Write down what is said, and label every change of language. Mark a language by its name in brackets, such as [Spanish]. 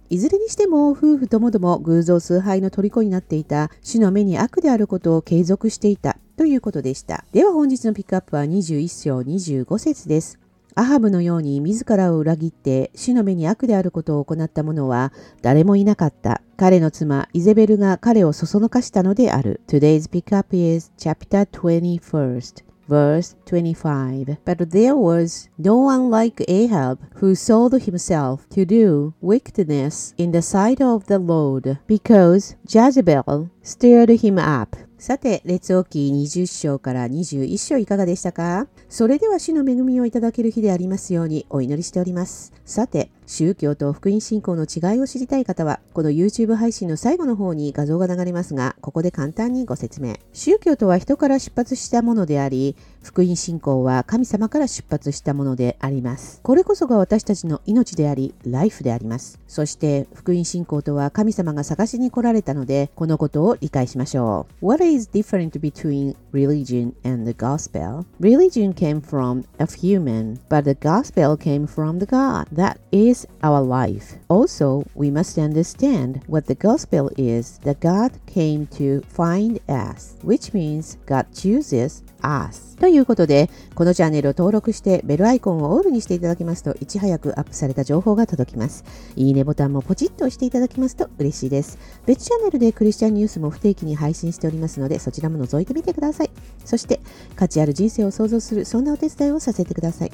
[Japanese] いずれにしても夫婦ともども偶像崇拝の虜になっていた、主の目に悪であることを継続していたということでした。では本日のピックアップは21章25節です。アハブのように自らを裏切って主の目に悪であることを行った者は誰もいなかった。彼の妻イゼベルが彼をそそのかしたのである。 [English] Today's pick up is chapter 21st, verse 25. But there was no one like Ahab who sold himself to do wickedness in the sight of the Lord, because Jezebel stirred him up. [Japanese] さて、列王記20章から21章いかがでしたか？それでは主の恵みをいただける日でありますようにお祈りしております。さて、宗教と福音信仰の違いを知りたい方は、この YouTube 配信の最後の方に画像が流れますが、ここで簡単にご説明。宗教とは人から出発したものであり、福音信仰は神様から出発したものであります。これこそが私たちの命であり、ライフであります。そして福音信仰とは神様が探しに来られたので、このことを理解しましょう。 [English] What is different between religion and the gospel? Religion came from a human, but the gospel came from the God. That is our life. Also, we must understand what the gospel is, that God came to find us, which means God chooses us. [Japanese] ということで、このチャンネルを登録してベルアイコンをオールにしていただきますと、いち早くアップされた情報が届きます。いいねボタンもポチッと押していただきますと嬉しいです。別チャンネルでクリスチャンニュースも不定期に配信しておりますので、そちらも覗いてみてください。そして価値ある人生を創造する、そんなお手伝いをさせてください。